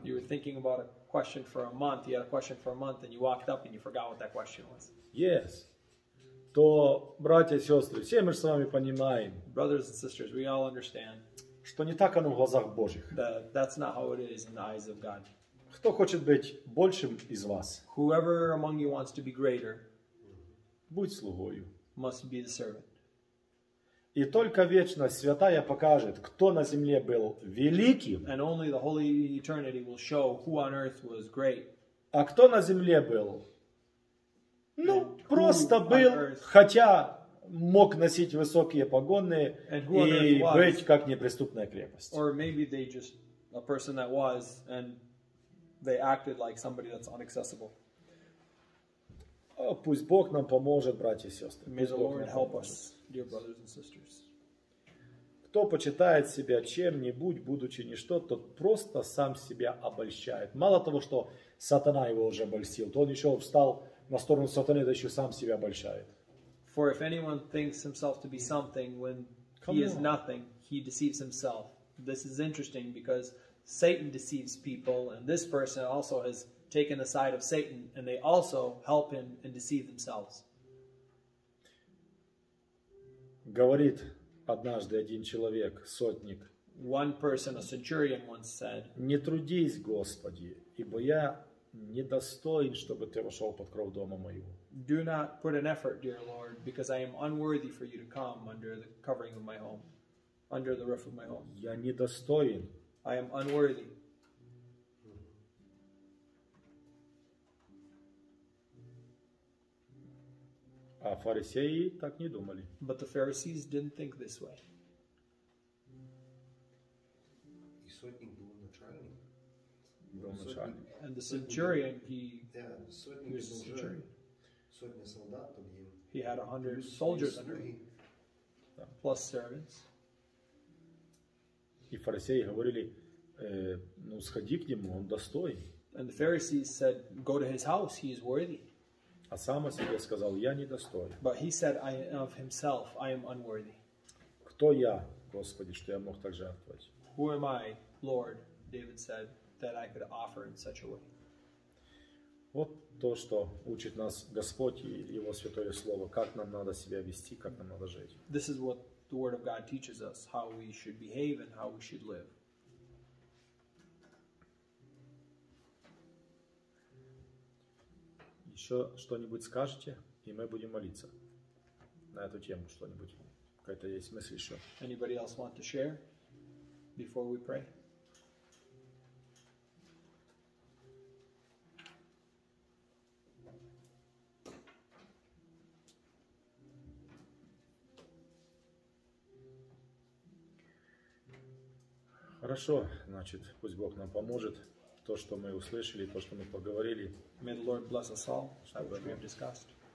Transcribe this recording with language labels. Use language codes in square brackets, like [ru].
[en] You were thinking about a question for a month, you had a question for a month, and you walked up, and you forgot what that question was. Yes. [ru] То, братья и сестры, все мы с вами понимаем. [en] Brothers and sisters, we all understand. [ru] Что не так оно в глазах Божьих. [en] That's not how it is in the eyes of God. [ru] Кто хочет быть большим из вас? [en] Whoever among you wants to be greater, [ru] будь слугою. [en] Must be the servant. [ru] И только вечность святая покажет, кто на земле был великим. [en] And only the holy eternity will show who on earth was great. [ru] А кто на земле был? Ну, просто был, хотя мог носить высокие погоны и быть как неприступная крепость. [en] Or maybe they just a person that was and they acted like somebody that's inaccessible. [ru] Пусть Бог нам поможет, братья и сестры. [en] May the Lord help us. dear brothers and sisters. [ru] Кто почитает себя чем-нибудь, будучи ничто, тот просто сам себя обольщает. Мало того, что сатана его уже обольстил, то он еще встал на сторону сатаны, да еще сам себя обольщает. [en] For if anyone thinks himself to be something when he is nothing, he deceives himself. This is interesting because Satan deceives people, and this person also has taken the side of Satan, and they also help him and deceive themselves. [ru] Говорит однажды один человек, сотник. [en] One person, a centurion, once said, [ru] "Не трудись, Господи, ибо я недостоин, чтобы ты вошел под кров дома моего." [en] Do not put an effort, dear Lord, because I am unworthy for you to come under the covering of my home, under the roof of my home. [ru] Я недостоин. [en] I am unworthy. [ru] А фарисеи так не думали. [en] But the Pharisees didn't think this way. [ru] И сотник был начальник. [en] And the centurion, he was a centurion. [ru] Сотня солдат под ним. [en] He had 100 soldiers under him. Plus servants. [ru] И фарисеи говорили, ну сходи к нему, он достоин. [en] And the Pharisees said, go to his house, he is worthy. [ru] А сам о себе сказал, я недостоин. [en] But he said I of himself, I am unworthy. [ru] Кто я, Господи, что я мог так жертвовать? [en] Who am I, Lord, David said, that I could offer in such a way? [ru] Вот то, что учит нас Господь и Его Святое Слово, как нам надо себя вести, как нам надо жить. [en] This is what the Word of God teaches us, how we should behave and how we should live. [ru] Еще что-нибудь скажете, и мы будем молиться на эту тему что-нибудь. Какая-то есть мысль еще. [en] Anybody else want to share before we pray? [ru] Хорошо, значит, пусть Бог нам поможет. То, что мы услышали, то, что мы поговорили. [en] May the Lord bless us all, that which we have discussed.